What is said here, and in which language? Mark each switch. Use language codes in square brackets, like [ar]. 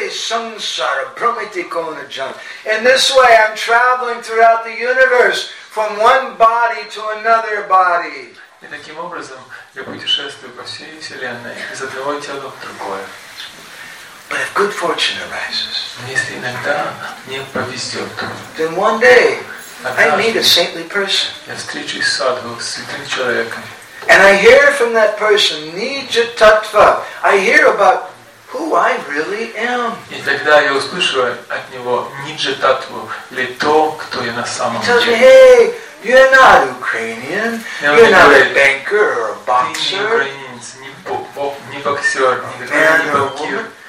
[en] And this way I'm traveling throughout the universe from one body to another body. [ru] И таким образом я путешествую по всей вселенной из одного тела в другое. [en] But if good fortune arises, [ru] если иногда мне повезет, [en] then one day I meet a saintly person. [ru] Я встречусь с садху, с святым человеком. [en] And I hear from that person, Nija Tattva. I hear about who I really am. [ru] И тогда я услышу от него ниджа татву, или то, кто я на самом деле. [en] He tells me, hey, you're not Ukrainian. You're not a banker or a boxer. [ru] Ты не украинец, не боксер, не банкир.